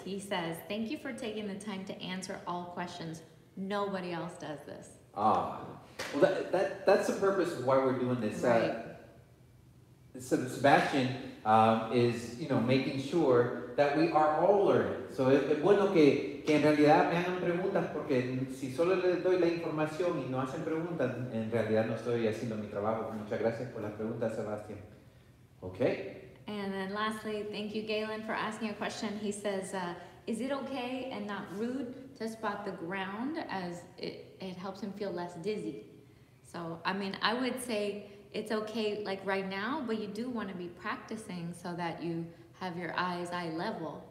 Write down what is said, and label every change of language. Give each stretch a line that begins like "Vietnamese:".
English: He says, thank you for taking the time to answer all questions. Nobody else does this. Well, that's the purpose of why we're doing this. Right. So Sebastian is, you know, making sure that we are all learning.
Spanish: So es bueno que en realidad me hagan preguntas, porque si solo les doy la información y no hacen preguntas, en realidad no estoy haciendo mi trabajo. Muchas gracias por las preguntas, Sebastian. Okay.
English: And then lastly, thank you, Galen, for asking a question. He says, is it okay and not rude to spot the ground, as it helps him feel less dizzy? So, I mean, I would say it's okay, like, right now, but you do want to be practicing so that you have your eye level.